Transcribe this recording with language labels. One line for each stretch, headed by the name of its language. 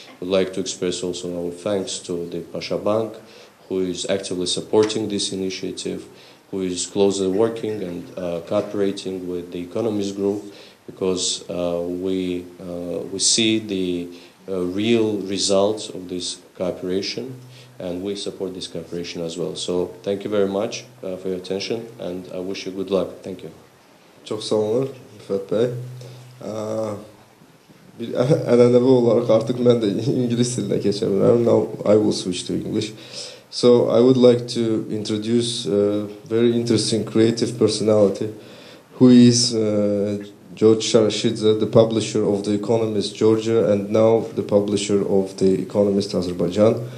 English: We'd like to express also our thanks to the Pasha Bank, who is actively supporting this initiative, who is closely working and cooperating with the Economist Group, because we see the real results of this cooperation, and we support this cooperation as well. So thank you very much for your attention, and I wish you good luck. Thank you.
Azerbaijani: Çox sağ olun, Müfət Bey. Bir ənənəvi olaraq artıq mən də ingilis dilinə keçə bilərəm.
English: Now I will switch to English. So I would like to introduce a very interesting creative personality who is George Sharashidze, the publisher of The Economist Georgia and now the publisher of The Economist Azerbaijan.